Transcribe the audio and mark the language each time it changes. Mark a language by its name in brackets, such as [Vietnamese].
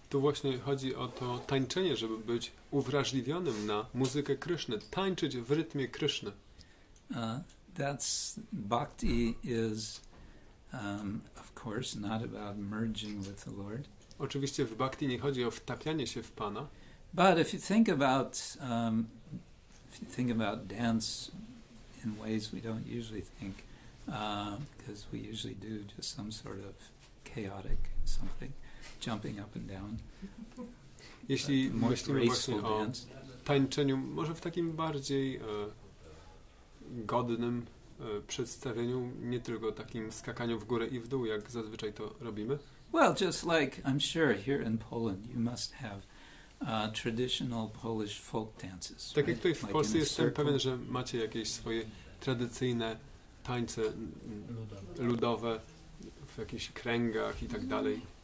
[Polish] Tu właśnie chodzi o to tańczenie, żeby być uwrażliwionym na muzykę Kryszny, tańczyć w rytmie Kryszny. [English] That's bhakti is of course not about merging with the Lord. [Polish] Oczywiście w bhakti nie chodzi o wtapianie się w Pana. [English] But if you think about dance in ways we don't usually think, because we usually do just some sort of chaotic something, jumping up and down. [Polish] Jeśli myślimy właśnie o tańczeniu, może w takim bardziej godnym przedstawieniu, nie tylko takim skakaniu w górę i w dół, jak zazwyczaj to robimy. [English] Well, just like I'm sure here in Poland, you must have traditional Polish folk dances. [Polish] Tak jak tutaj [English] right? [Polish] W Polsce jestem pewien, że macie jakieś swoje tradycyjne tańce ludowe w jakichś kręgach i tak dalej.